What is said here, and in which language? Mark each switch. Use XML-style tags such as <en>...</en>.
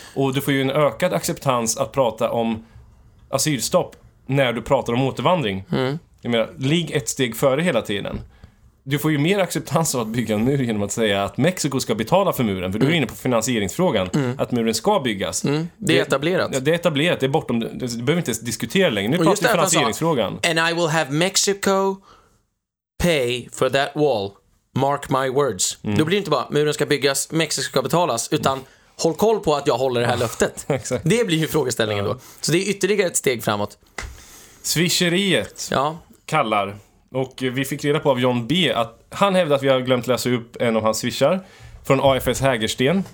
<sv>Och du får ju en ökad acceptans att prata om asylstopp när du pratar om återvandring. Mm. Jag menar, ligg ett steg före hela tiden. Du får ju mer acceptans av att bygga en mur genom att säga att Mexiko ska betala för muren. För du är inne på finansieringsfrågan. Mm. Att muren ska byggas. Mm. Det är etablerat. Ja, det är etablerat. Det är bortom... Det behöver inte diskutera längre. Nu pratar vi finansieringsfrågan.</sv> <en>And I will have Mexico pay for that wall. Mark my words.</en> <sv>Mm. Då blir det inte bara muren ska byggas, Mexiko ska betalas, utan håll koll på att jag håller det här löftet. Exakt. Det blir ju frågeställningen då. Så det är ytterligare ett steg framåt. Swisheriet kallar... Och vi fick reda på av John B att han hävdade att vi har glömt läsa upp en av hans swishar från AFS Hägersten.</sv>